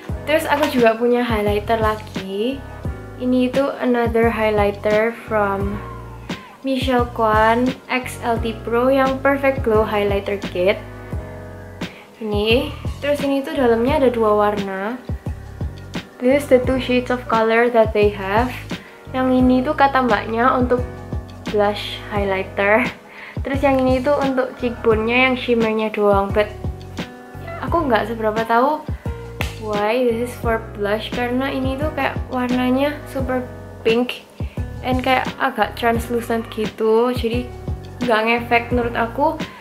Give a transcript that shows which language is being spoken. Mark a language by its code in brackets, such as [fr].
[id] Terus aku juga punya highlighter lagi. Ini itu [en] another highlighter from [id] Michelle Kwan XLT Pro yang Perfect Glow Highlighter Kit. Ini. Terus ini tuh dalamnya ada dua warna. [en] This is the two shades of color that they have. [id] Yang ini tuh kata mbaknya untuk blush highlighter. Terus yang ini tuh untuk cheekbone-nya yang shimmernya doang. But aku nggak seberapa tahu [en] why this is for blush, [id] karena ini tuh kayak warnanya super pink and kayak agak translucent gitu, jadi gak ngefek menurut aku.